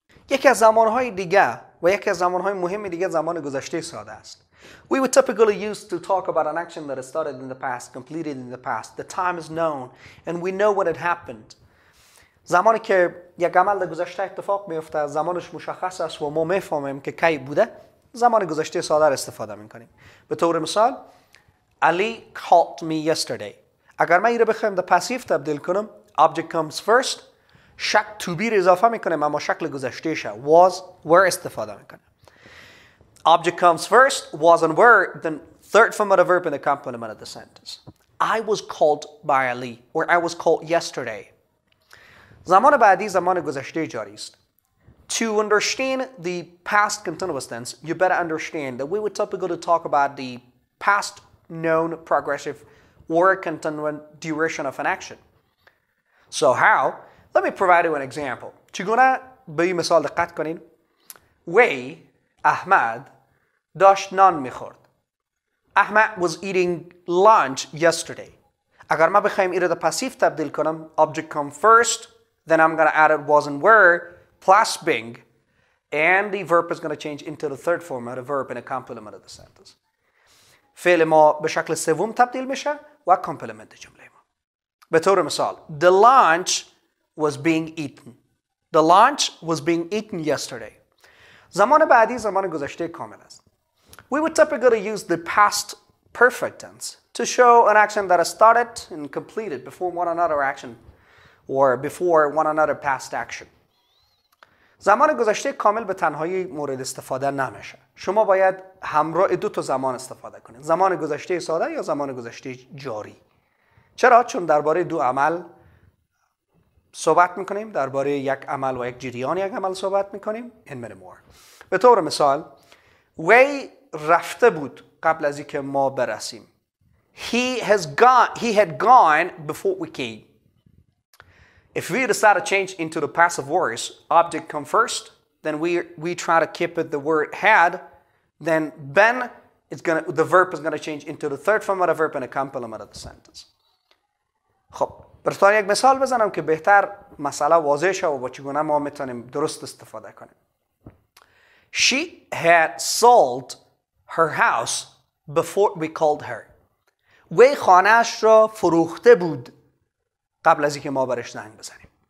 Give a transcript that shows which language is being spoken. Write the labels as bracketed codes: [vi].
[fa] یکی از زمانهای دیگه و یکی از زمانهای مهم دیگه زمان گذشته ساده است. [en] We would typically use to talk about an action that has started in the past, completed in the past. The time is known and we know what had happened. [fa] زمانی که یک عمل در گذشته اتفاق میفته زمانش مشخص است و ما میفهمیم که کی بوده زمان گذشته ساده را استفاده میکنیم. به طور مثال, [en] Ali called me yesterday. [fa] اگر من این را بخوام در پسیو تبدیل کنم, [en] object comes first, [fa] شک to be را اضافه میکنیم اما شکل گذشته شد was, were استفاده میکنیم. [en] Object comes first, was and were, then third form of the verb in the complement of the sentence. I was called by Ali, or I was called yesterday. [fa] زمان بعدی زمان گذشته جاری است. [en] To understand the past continuous tense, you better understand that we would typically talk about the past known progressive or continuous duration of an action. So how? Let me provide you an example. [fa] چگونه به این مثال دقت کنین. وی احمد داشت نان میخورد. [en] Ahmad was eating lunch yesterday. [fa] اگر ما بخوایم این را به پسیو تبدیل کنم, [en] object come first, then I'm going to add it was and were plus being, and the verb is going to change into the third form of a verb in a complement of the sentence. [fa] فعل ما به شکل سوم تبدیل میشه و complement جمله ما. به طور مثال, [en] the lunch was being eaten. The lunch was being eaten yesterday. [fa] زمان بعدی زمان گذشته کامل است. [en] We would typically use the past perfect tense to show an action that has started and completed before one another action or before one another past action. [fa] زمان گذشته کامل به تنهایی مورد استفاده نمیشه. شما باید همراه دو تا زمان استفاده کنید. زمان گذشته ساده یا زمان گذشته جاری. چرا؟ چون درباره دو عمل صحبت میکنیم. درباره یک عمل و یک جریان یک عمل صحبت میکنیم. [en] In many more. [fa] به طور مثال, وی رفته بود قبل از اینکه ما برسیم. [en] He had gone before we came. If we decide to change into the passive voice, object come first, then we try to keep it the word had, then been, the verb is going to change into the third form of the verb in a complement of the sentence. [fa] خب, برتون یک مثال بزنم که بهتر مسئله واضح شه و با چگونه ما میتونیم درست استفاده کنیم. [en] She had sold her house before we called her. [fa] وی خانه‌اش را فروخته بود قبل از اینکه ما برش زنگ بزنیم.